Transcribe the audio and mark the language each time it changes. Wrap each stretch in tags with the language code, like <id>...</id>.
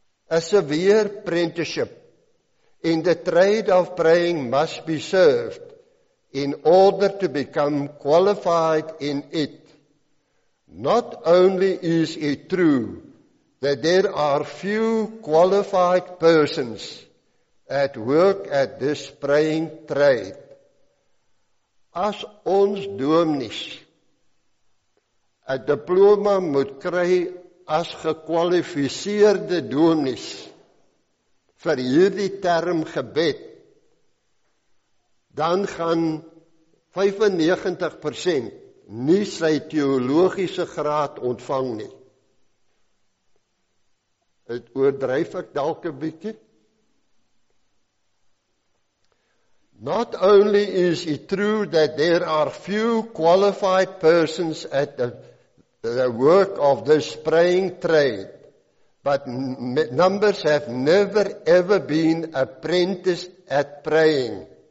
<en>A severe apprenticeship in the trade of praying must be served in order to become qualified in it. Not only is it true that there are few qualified persons at work at this praying trade.</en> <af>As ons dominees 'n diploma moet kry as gekwalifiseerde dominees vir hierdie term gebed, dan gaan 95% nie sy teologiese graad ontvang nie. Het oordryf ek dalk 'n bietjie?</af> <en>Not only is it true that there are few qualified persons at the work of this praying trade, but numbers have never ever been apprenticed at praying.</en>